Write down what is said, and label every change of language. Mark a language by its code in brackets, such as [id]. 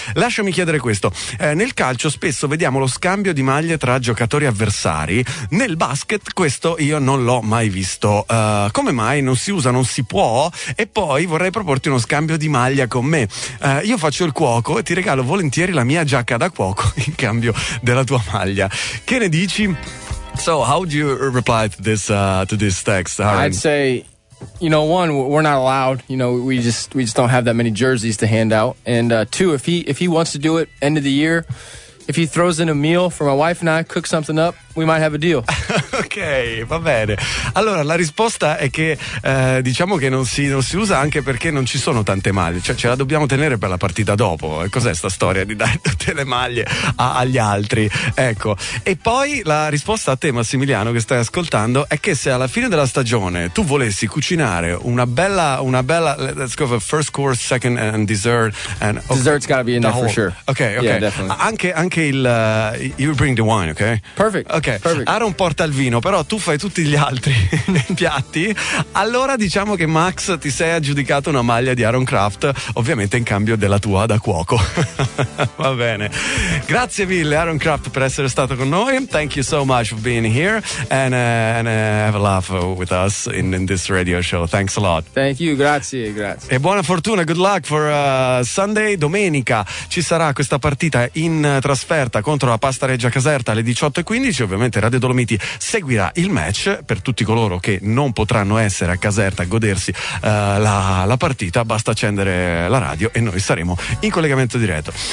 [it] Lasciami chiedere questo: nel calcio spesso vediamo lo scambio di maglie tra giocatori avversari, nel basket questo io non l'ho mai visto, come mai non si usa, non si può? E poi vorrei proporti uno scambio di maglia con me, io faccio il cuoco e ti regalo volentieri la mia giacca da cuoco in cambio della tua maglia, che ne dici? [en] So how do you reply to this text, Aaron? I'd say, you know, one, we're not allowed. You know, we just don't have that many jerseys to hand out. And two, if he wants to do it end of the year, if he throws in a meal for my wife and I, cook something up, we might have a deal. [it] Ok, va bene. Allora, la risposta è che diciamo che non si usa, anche perché non ci sono tante maglie, cioè ce la dobbiamo tenere per la partita dopo. Cos'è sta storia di dare tutte le maglie agli altri? Ecco. E poi la risposta a te, Massimiliano, che stai ascoltando, è che se alla fine della stagione tu volessi cucinare una bella [en] let's go for first course, second and dessert, and okay, dessert's gotta be in there for sure. Okay, okay. Yeah, definitely. [it] Anche il [en] you bring the wine, okay? Perfect. Ok, perfect. [it] Aaron porta il vino, però tu fai tutti gli altri piatti. Allora diciamo che Max ti sei aggiudicato una maglia di Aaron Kraft, ovviamente in cambio della tua da cuoco. Va bene. Grazie mille Aaron Kraft per essere stato con noi. [en] Thank you so much for being here and have a laugh with us in this radio show. Thanks a lot. Thank you, [it] grazie. E buona fortuna, [en] good luck for Sunday. [it] Domenica ci sarà questa partita in trasferta contro la Pasta Reggia Caserta alle 18:15. Ovviamente Radio Dolomiti seguirà il match per tutti coloro che non potranno essere a Caserta a godersi la partita. Basta accendere la radio e noi saremo in collegamento diretto.